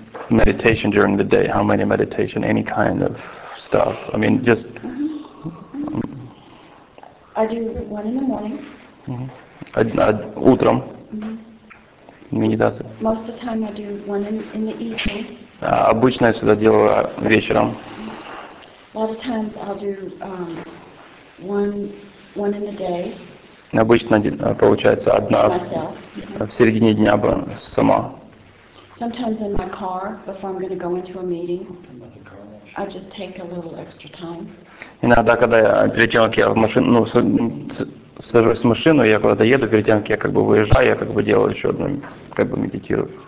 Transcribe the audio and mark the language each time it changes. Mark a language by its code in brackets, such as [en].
[en] meditation during the day, how many meditation, any kind of stuff. I mean, just... I do one in the morning. [ru] Утром. Медитация. [en] Most of the time I do one in the evening. [ru] Обычно я всегда делаю вечером. [en] A lot of times I'll do one in the day. [ru] Обычно получается одна в середине дня сама. [en] Sometimes in my car before I'm going to go into a meeting, I just take a little extra time. [ru] Иногда, когда я перед тем, как я в машину, ну, сажусь в машину, я куда-то еду, перед тем, как я как бы выезжаю, я как бы делаю еще одну, как бы медитирую.